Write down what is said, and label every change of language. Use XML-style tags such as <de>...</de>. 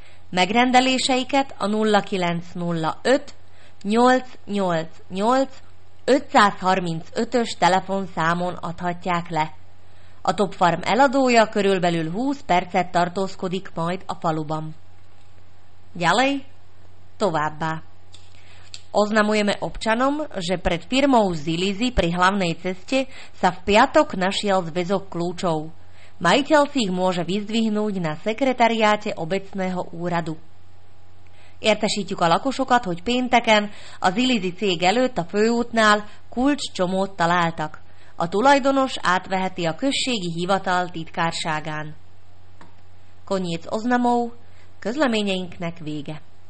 <hu>Megrendeléseiket a 0905 888 535-ös telefonszámon adhatják le. A Topfarm eladója körülbelül 20 percet tartózkodik majd a faluban.</hu> <sk>Ďalej,</sk> <hu>továbbá.</hu> <sk>Oznamujeme občanom, že pred firmou Zilizi pri hlavnej ceste sa v piatok našiel zväzok kľúčov. Majiteľ si ich môže vyzdvihnúť na sekretariáte obecného úradu.</sk> <hu>Értesítjük a lakosokat, hogy pénteken a Zilizi cég előtt a főútnál kulcscsomót találtak. A tulajdonos átveheti a községi hivatal titkárságán.</hu> <sk>Koniec oznamov,</sk> <hu>közleményeinknek vége.</hu>